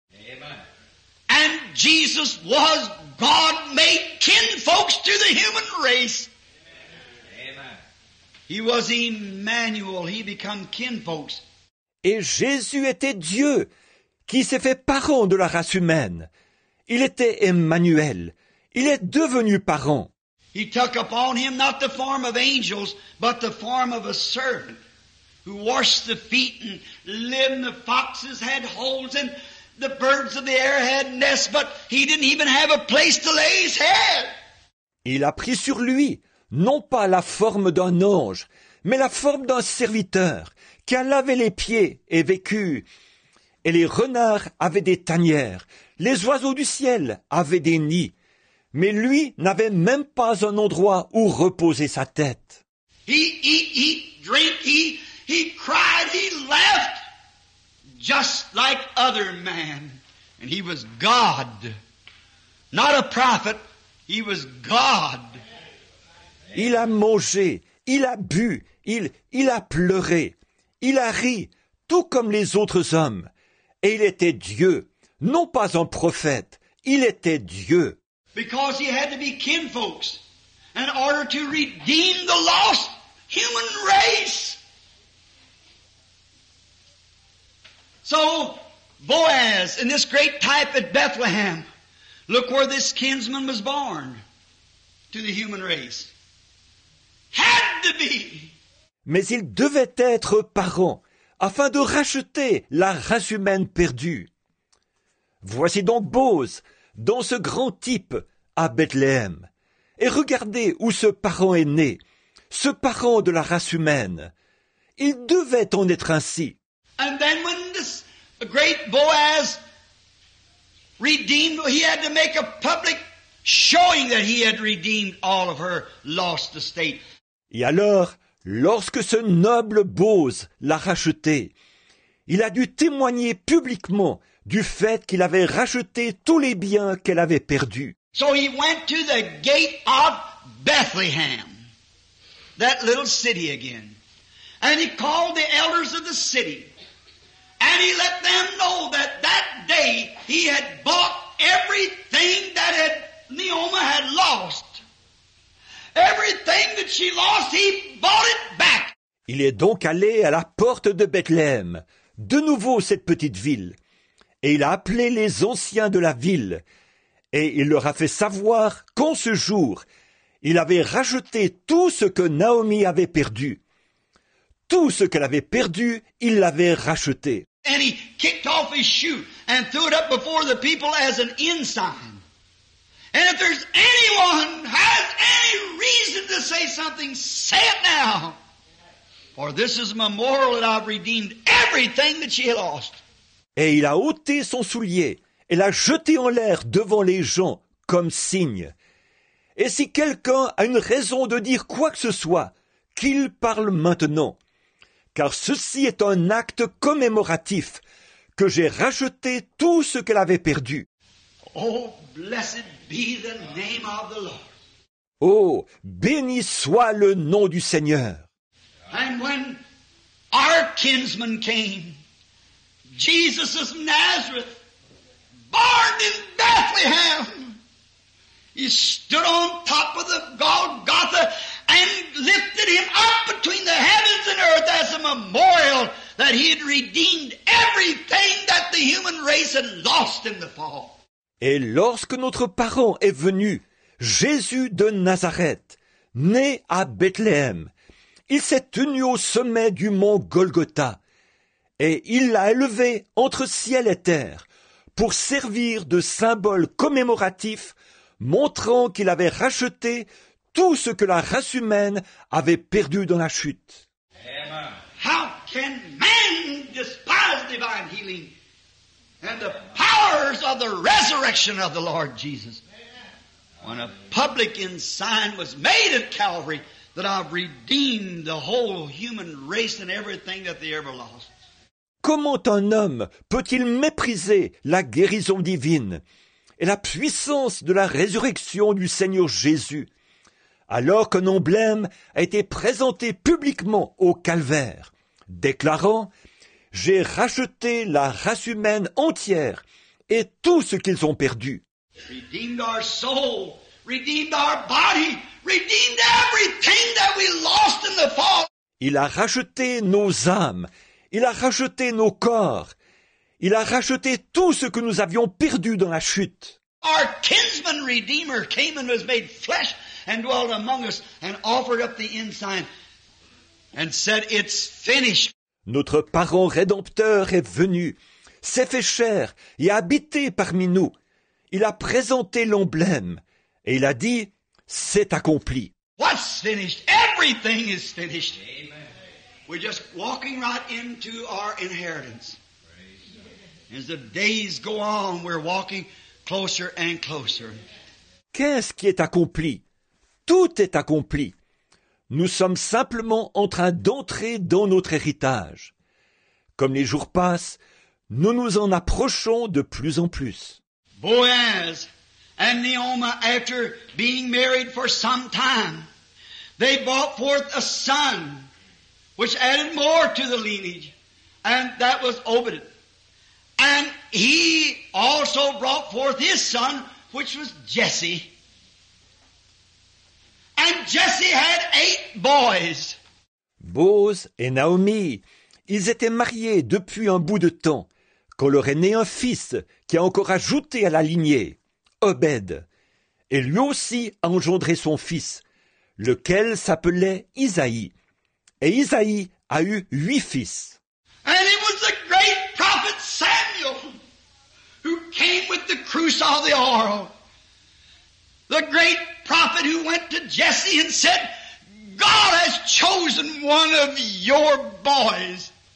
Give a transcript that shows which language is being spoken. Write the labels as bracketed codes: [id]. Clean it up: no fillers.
[en] Amen. And Jesus was God made kinfolks to the human race. Amen. He was Emmanuel, he became kinfolks. [fr] Et Jésus était Dieu qui s'est fait parent de la race humaine. Il était Emmanuel, Il est devenu parent. [en] He took upon him not the form of angels, but the form of a servant who washed the feet and limbed the foxes, had holes, and the birds of the air had nests, but he didn't even have a place to lay his head. [fr] Il a pris sur lui, non pas la forme d'un ange, mais la forme d'un serviteur qui a lavé les pieds et vécu. Et les renards avaient des tanières, les oiseaux du ciel avaient des nids. Mais lui n'avait même pas un endroit où reposer sa tête. [en] He cried, he laughed, just like other men. And he was God, not a prophet, he was God. [fr] Il a mangé, il a bu, il a pleuré, il a ri, tout comme les autres hommes. Et il était Dieu, non pas un prophète, il était Dieu. [en] Because he had to be kinfolks in order to redeem the lost human race. So Boaz, in this great type at Bethlehem, look where this kinsman was born to the human race. Had to be. [fr] Mais il devait être parent afin de racheter la race humaine perdue. Voici donc Boaz dans ce grand type à Bethléem. Et regardez où ce parent est né, ce parent de la race humaine. Il devait en être ainsi. [en] And then when this great Boaz redeemed, he had to make a public showing that he had redeemed all of her lost estate. [fr] Et alors, lorsque ce noble Boaz l'a racheté, il a dû témoigner publiquement du fait qu'il avait racheté tous les biens qu'elle avait perdus. [en] So he went to the gate of Bethlehem, that little city again. And he called the elders of the city. And he let them know that that day he had bought everything that Naomi had lost. Everything that she lost, he bought it back. [fr] Il est donc allé à la porte de Bethléem, de nouveau cette petite ville. Et il a appelé les anciens de la ville. Et il leur a fait savoir qu'en ce jour, il avait racheté tout ce que Naomi avait perdu. Tout ce qu'elle avait perdu, il l'avait racheté. [en] And he kicked off his shoe and threw it up before the people as an ensign. And if there's anyone has any reason to say something, say it now. For this is a memorial that I've redeemed everything that she lost. [fr] Et il a ôté son soulier. Et l'a jeté en l'air devant les gens comme signe. Et si quelqu'un a une raison de dire quoi que ce soit, qu'il parle maintenant. Car ceci est un acte commémoratif, que j'ai racheté tout ce qu'elle avait perdu. [en] Oh, blessed be the name of the Lord. [fr] Oh, béni soit le nom du Seigneur. [en] And when our kinsman came, Jesus of Nazareth, born in Bethlehem, he stood on top of the Golgotha and lifted him up between the heavens and earth as a memorial that he had redeemed everything that the human race had lost in the fall. [fr] Et lorsque notre parent est venu, Jésus de Nazareth, né à Bethléem, il s'est tenu au sommet du mont Golgotha et il l'a élevé entre ciel et terre, pour servir de symbole commémoratif, montrant qu'il avait racheté tout ce que la race humaine avait perdu dans la chute. [en] How can man despise divine healing and the powers of the resurrection of the Lord Jesus? When a public sign was made at Calvary that I've redeemed the whole human race and everything that they ever lost. [fr] Comment un homme peut-il mépriser la guérison divine et la puissance de la résurrection du Seigneur Jésus alors qu'un emblème a été présenté publiquement au calvaire, déclarant « J'ai racheté la race humaine entière et tout ce qu'ils ont perdu. » [en] Redeemed our soul, redeemed our body, redeemed everything that we lost in the fall. [fr] Il a racheté nos âmes. Il a racheté nos corps. Il a racheté tout ce que nous avions perdu dans la chute. [en] Our kinsman redeemer came and was made flesh and dwelt among us and offered up the ensign and said, it's finished. [fr] Notre parent rédempteur est venu, s'est fait chair et a habité parmi nous. Il a présenté l'emblème et il a dit, c'est accompli. [en] What's finished? Everything is finished. Amen. We're just walking right into our inheritance. As the days go on, we're walking closer and closer. [fr] Qu'est-ce qui est accompli? Tout est accompli. Nous sommes simplement en train d'entrer dans notre héritage. Comme les jours passent, nous nous en approchons de plus en plus. [en] Boaz and Naomi, after being married for some time, they brought forth a son, which added more to the lineage, and that was Obed. And he also brought forth his son, which was Jesse. And Jesse had 8 boys. [fr] Boaz et Naomi, ils étaient mariés depuis un bout de temps, quand leur est né un fils qui a encore ajouté à la lignée, Obed. Et lui aussi a engendré son fils, lequel s'appelait Isaïe. Et Isaïe a eu 8 fils. [en] And it was the great prophet Samuel who came with the cruse of the oil. The great prophet who went to Jesse and said, God has chosen one of your boys.